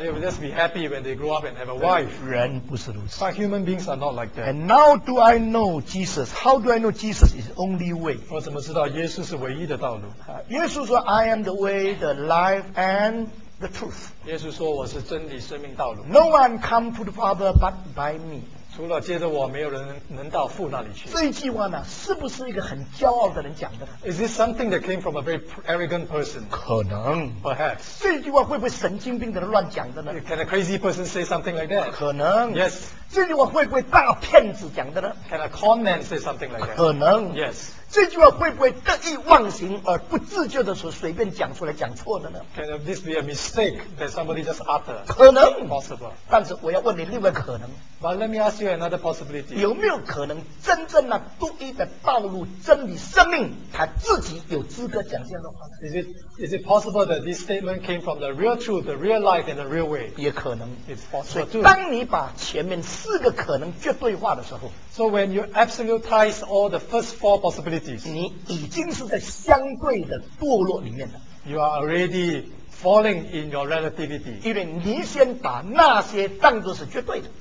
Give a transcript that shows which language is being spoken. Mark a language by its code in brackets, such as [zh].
[en] They just be happy when they grow up and have a wife. [zh] 人不是如此。 [en] But human beings are not like that. And now do I know Jesus? How do I know Jesus is only way? [zh] 我怎么知道耶稣是唯一的道路？耶稣说 [en] ，I am the way, the life, and the truth. [zh] 耶稣说我是真理、生命、道路。 [en] No one come to the Father but by me. [zh] 除了借着我，没有人能到父那里去。这一句话呢，是不是一个很骄傲的人讲的 [en] ？Is this something that came from a very arrogant person？ [zh] 可能 [en] ，perhaps。 [zh] 这句话会不会神经病的人乱讲的呢 [en] ？Can a crazy person say something like that？ [zh] 可能 [en] ，yes。 [zh] 这句话会不会大骗子讲的呢 [en] ？Can a con man say something like that？ [zh] 可能 [en] ，yes。 [zh] 这句话会不会得意忘形而不自觉的说随便讲出来讲错的呢 [en] ？Can this be a mistake that somebody just utter？ [zh] 可能 [en] ，possible。 [zh] 但是我要问你另外一个可能。 [en] But let me ask you another possibility。 [zh] 有没有可能真正那独一的道路、真理、生命，他自己有资格讲这样的话呢 [en] ？Is it possible that this statement came from the real truth, the real life, and the real way？ [zh] 也可能 [en] ，it's possible too。 [zh] 所以当你把前面四个可能绝对化的时候 [en] ，So when you absolutize all the first four possibilities， [zh] 你已经是在相对的堕落里面了。 [en] You are already falling in your relativity， [zh] 因为你先把那些当作是绝对的。